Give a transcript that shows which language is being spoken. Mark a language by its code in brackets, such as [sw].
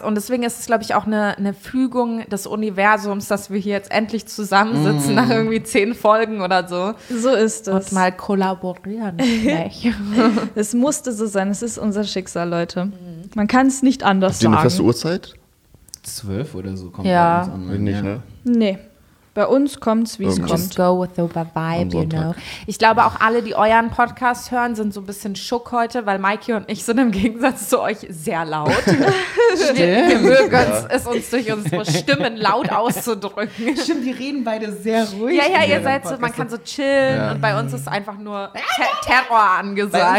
[de] Und deswegen ist es, glaube ich, auch eine Fügung des Universums, dass wir hier jetzt endlich zusammensitzen nach irgendwie 10 Folgen oder so. So ist es. Und mal kollaborieren. Es musste so sein. Es ist unser Schicksal, Leute. Man kann es nicht anders sagen. Habt ihr eine feste Uhrzeit? 12 oder so kommt ja bei uns an. Nicht, ja. Nee. Bei uns kommt's, wie es kommt. [en] Just go with the vibe, you know. [de] Ich glaube, auch alle, die euren Podcast hören, sind so ein bisschen schock heute, weil Mikey und ich sind im Gegensatz zu euch sehr laut. Stimmt. Wir mögen es uns durch unsere Stimmen laut auszudrücken. Stimmt, wir reden beide sehr ruhig. Ja, ja, ihr seid so, man kann so chillen und bei uns ist einfach nur Terror angesagt.